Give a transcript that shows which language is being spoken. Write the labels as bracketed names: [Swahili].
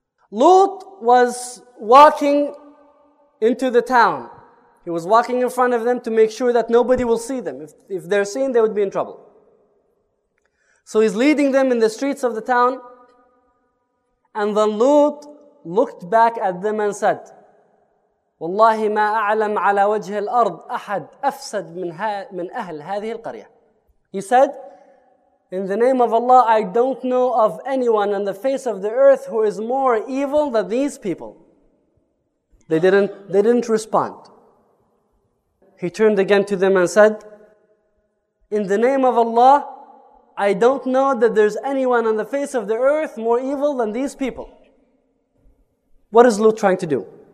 [English] Lut was walking into the town. He was walking in front of them to make sure that nobody will see them. If they're seen, they would be in trouble. So he's leading them in the streets of the town. And then Lut looked back at them and said, [Arabic] والله ما أعلم على وجه الأرض أحد أفسد من أهل هذه القرية. [English] He said, in the name of Allah, I don't know of anyone on the face of the earth who is more evil than these people. They didn't respond. He turned again to them and said, in the name of Allah, I don't know that there's anyone on the face of the earth more evil than these people. What is Lut trying to do?